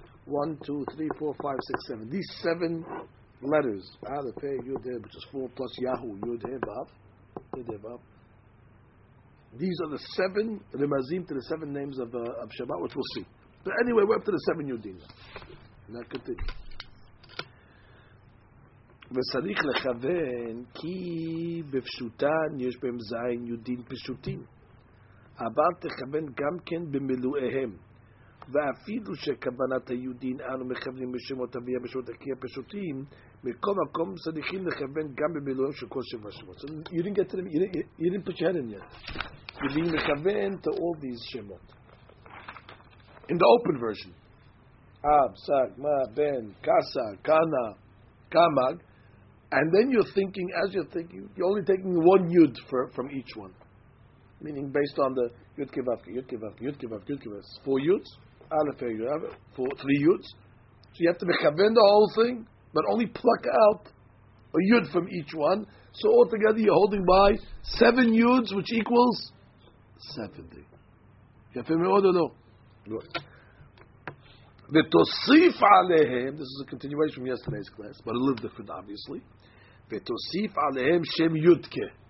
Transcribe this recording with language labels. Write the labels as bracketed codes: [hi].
[en] 1, 2, 3, 4, 5, 6, 7. These seven letters, Aleph, Yud, Heh, which is 4 plus Yahu, Yud, Heh, Vav, These are the seven remazim to the seven names of Shabbat, which we'll see. But anyway, we're up to the seven yudim. Now continue. [he] וצריך לכוון כי בפשוטן יש בהם זין יהודים פשוטים אבל תכוון גם כן במילואיהם ואפילו שכוונת היהודים אנו מכוונים בשמות אביה בשמות הכי הפשוטים מכל מקום צריכים לכוון גם במילואיהם של כל שבע שמות [en] you didn't put your head in yet you didn't [he] לכוון [en] to all these [he] שמות [en] in the open version אב, סג, מה, בן, קסה, קנה, קמג And then you're thinking, as you're thinking, you're only taking one yud for, from each one. Meaning based on the yud kevavke, yud kevavke, yud kevavke, yud kevavke. Four yuds, aleph, yud, four, three yuds. So you have to mechaven the whole thing, but only pluck out a yud from each one. So altogether you're holding by seven yuds, which equals 70. You have to remember, or no? Good. [he] ותוסיף עליהם, [en] this is a continuation from yesterday's class, but a little different obviously, [he] ותוסיף עליהם שם יודקה.